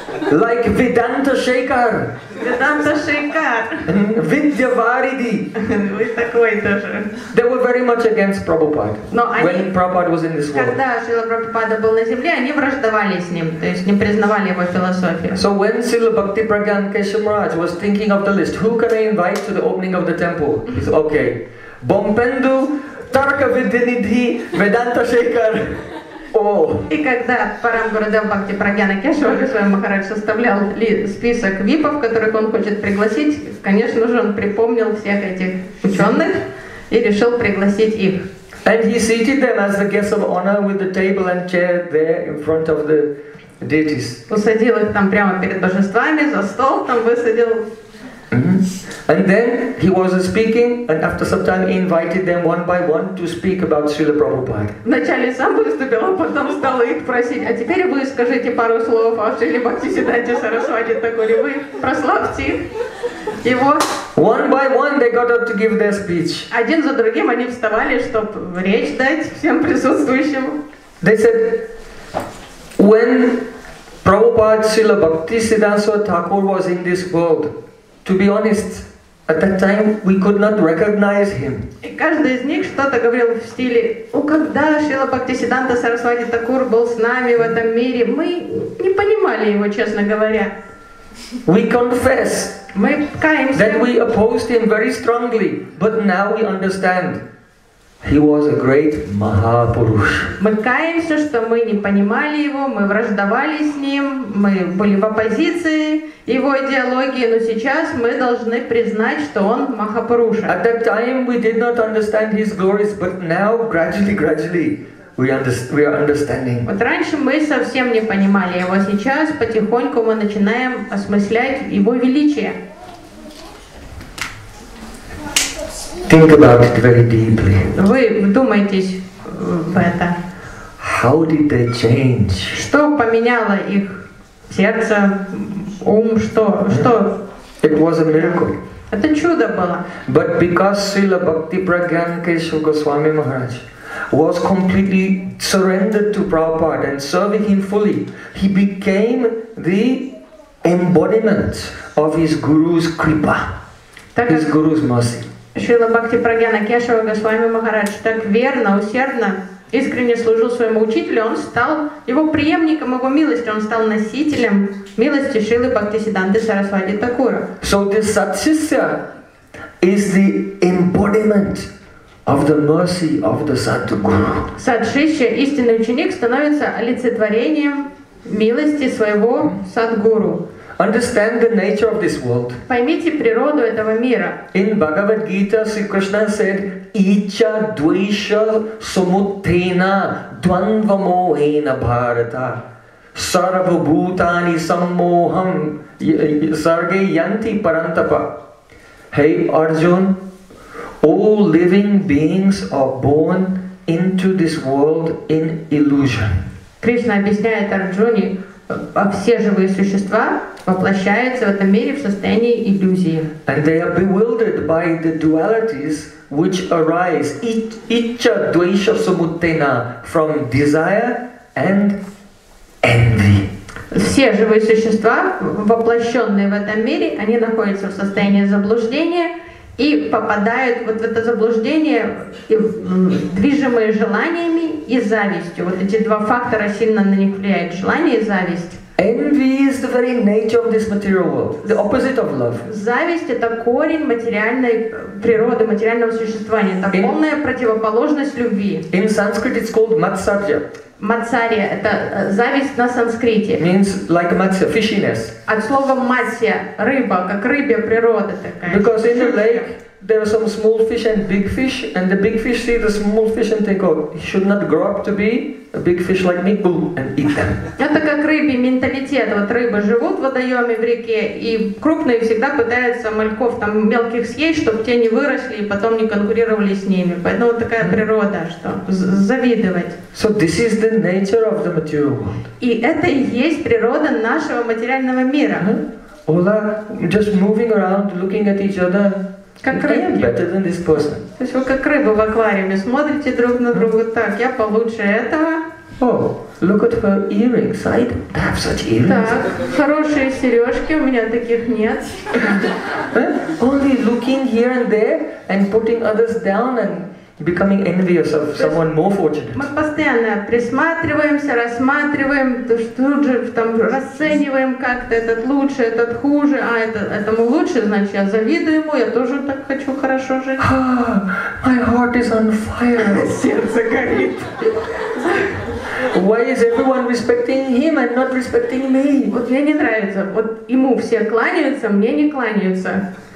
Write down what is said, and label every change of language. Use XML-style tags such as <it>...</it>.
<en>Like Vedanta Shekhar. Vedanta Shekhar. Vidya Varidhi. They were very much against Prabhupada.</en> <ru>Но</ru> <en>when</en> <ru>они,</ru> <en>Prabhupada was in this world.</en> <ru>Когда Шрила Прабхупада был на земле, они враждовали с ним, то есть не признавали его философию.</ru> <en>So when Srila Bhakti Pragyan Keshamaraj was thinking of the list, who can I invite to the opening of the temple? He said, okay. Бомбенду, Тарка Видьянидхи, Vedanta Shekhar.</en> <ru>И когда Парамгурудев Бхакти Прагьяна Кешава Госвами Махарадж составлял список випов, которых он хочет пригласить, конечно же, он припомнил всех этих ученых и решил пригласить их.</ru> <en>And he seated them as the guests of honor with the table and chair there in front of the deities.</en> <ru>Усадил их там прямо перед божествами за стол, там высадил.</ru> <en>And then he was speaking, and after some time, he invited them one by one to speak about Srila Prabhupada.</en> <ru>Вначале сам выступил, а потом стал их просить. А теперь вы скажите пару слов о Шриле Бхактисиддханте Сарасвати Тхакуре. Вы прославьте его.</ru> <en>One by one, they got up to give their speech.</en> <ru>Один за другим они вставали, чтобы речь дать всем присутствующим.</ru> <en>They said, when Prabhupada Srila Bhaktisiddhanta Thakur was in this world. To be honest, at that time we could not recognize him.</en> <ru>И каждый из них что-то говорил в стиле: «О, когда Шрила Бхактисиддханта Сарасвати Тхакур был с нами в этом мире, мы не понимали его, честно говоря».</ru> <en>We confess</en> <ru>мы каемся,</ru> <en>that we opposed him very strongly, but now we understand. He was a great Mahapurush.</en> <ru>Мы каемся, что мы не понимали его, мы враждовали с ним, мы были в оппозиции его идеологии, но сейчас мы должны признать, что он Махапуруша.</ru> <en>At that time we did not understand his glories, but now gradually we are understanding.</en> <ru>Вот раньше мы совсем не понимали его, сейчас потихоньку мы начинаем осмыслять его величие.</ru> <en>Think about it very deeply.</en> <ru>Вы вдумайтесь в это.</ru> <en>How did they change?</en> <ru>Что поменяло их сердце, ум, что? Что?</ru> <en>It was a miracle.</en> <ru>Это чудо было.</ru> <en>But because Srila Bhakti Pragyan Keshava Goswami Maharaj was completely surrendered to Prabhupada and serving him fully, he became the embodiment of his Guru's Kripa, his Guru's mercy.</en> <ru>Шрила Бхакти Прагьяна Кешава Госвами Махарадж так верно, усердно, искренне служил своему учителю, он стал его преемником, его милостью, он стал носителем милости Шрилы Бхактисиддханты Сарасвати Тхакура.</ru> <en>So this satsisya is the embodiment of the mercy of the Sadguru.</en> <ru>Satsisya, истинный ученик, становится олицетворением милости своего Садгуру.</ru> <en>Understand the nature of this world.</en> <ru>Поймите природу этого мира.</ru> <en>In Bhagavad Gita, Sri Krishna said,</en> <sa>"Icha dvaisha samuttena dvandvamohena Bharata sarvabhutani sammoham sarge yanti parantapa."</sa> <en>Hey Arjun, all living beings are born into this world in illusion.</en> <ru>Кришна объясняет Арджуне, а все живые существа воплощаются в этом мире в состоянии иллюзии.</ru> <en>And they are bewildered by the dualities which arise</en> <sa>iccha dvesha samuttena</sa> <en>from desire and envy.</en> <ru>Все живые существа, воплощенные в этом мире, они находятся в состоянии заблуждения и попадают вот в это заблуждение, движимые желаниями и завистью. Вот эти два фактора сильно на них влияют: желание и зависть.</ru> <en>Envy is the very nature of this material world, the opposite of love.</en> <ru>Зависть — это корень материальной природы, материального существования. Это полная противоположность любви.</ru> <en>In Sanskrit it's called matsarya.</en> <ru>Матсария — это зависть на санскрите.</ru> <en>Means like matsya, fishiness.</en> <ru>От слова матсья — рыба, как рыбья природа такая.</ru> <en>Because in the lake there are some small fish and big fish, and the big fish see the small fish and think, oh, he should not grow up to be a big fish like me, boom, and eat them.</en> <ru>Это как рыбий менталитет. Вот рыбы живут в водоеме, в реке, и крупные всегда пытаются мальков там мелких съесть, чтобы те не выросли и потом не конкурировали с ними. Поэтому вот такая природа, что завидовать.</ru> <en>So this is the nature of the material world.</en> <ru>И это и есть природа нашего материального мира.</ru> <en>All are just moving around, looking at each other.</en> <ru>Как рыбы. То есть вы как рыбы в аквариуме смотрите друг на друга, так, я получше этого.</ru> <en>Oh, look at her earrings. I have such earrings.</en> <ru>Так, хорошие сережки, у меня таких нет.</ru> <en>Only looking here and there and putting others down and becoming envious of someone more fortunate.</en> <ru>Мы постоянно присматриваемся, рассматриваем, тут же там расцениваем как-то этот лучше, этот хуже, а этому лучше, значит, я завидую ему, я тоже так хочу хорошо жить.</ru> <en>My heart is on fire.</en> <ru>Сердце горит.</ru> <en>Why is everyone respecting him and not respecting me?</en> <ru>Вот мне не нравится. Вот ему все кланяются, мне не кланяются.</ru>